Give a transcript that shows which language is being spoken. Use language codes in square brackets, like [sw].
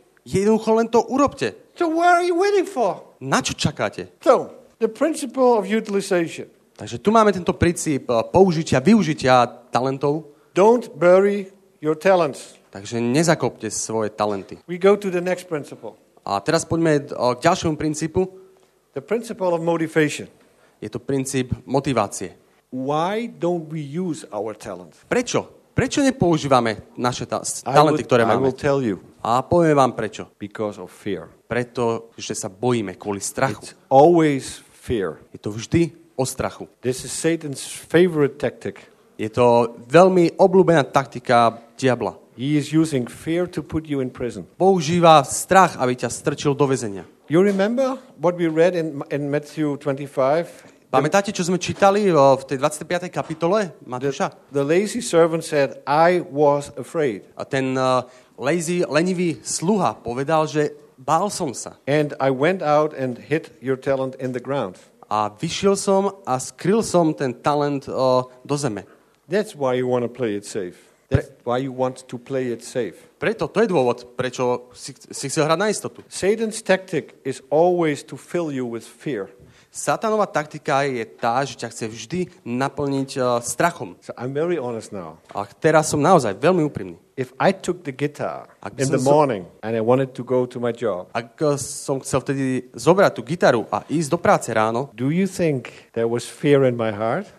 [sk] Jednoducho len to urobte. [en] So what are you waiting for? [sk] Na čo čakáte? [en] So, the principle of utilization. [sk] Takže tu máme tento princíp použitia, využitia talentov. [en] Don't bury your talents. [sk] Takže nezakopte svoje talenty. [en] We go to the next principle. [sk] A teraz poďme k ďalšiemu princípu. [en] The principle of motivation. [sk] Je to princíp motivácie. [en] Why don't we use our talent? [sk] Prečo? Prečo nepoužívame naše talenty, ktoré máme? [en] I will tell you. [sk] A poviem vám prečo. [en] Because of fear. [sk] Preto, že sa bojíme kvôli strachu. [en] It's always fear. [sk] Je to vždy o strachu. [en] This is Satan's favorite tactic. [sk] Je to veľmi obľúbená taktika diabla. [en] He is using fear to put you in prison. [sk] Používa strach, aby ťa strčil do väzenia. [en] You remember what we read in Matthew 25? [sk] Pamätáte, čo sme čítali v tej 25. kapitole Matúša? [en] The lazy servant said, I was afraid. [sk] A ten lenivý sluha povedal, že bál som sa. [en] And I went out and hid your talent in the ground. [sk] A vyšiel som a skryl som ten talent do zeme. [en] That's why you want to play it safe. That's why you want to play it safe. [sk] Preto to je dôvod, prečo si chcel hrať na istotu. [en] Satan's tactic is always to fill you with fear. [sk] Satanova taktika je tá, že ťa chce vždy naplniť strachom. [en] So I'm very honest now. [sk] A teraz som naozaj veľmi úprimný. [en] If I took the guitar in the morning and I wanted to go to my job. [sk] Ak som chcel vtedy zobrať tú gitaru a ísť do práce ráno. [en] Do you think there was fear in my heart?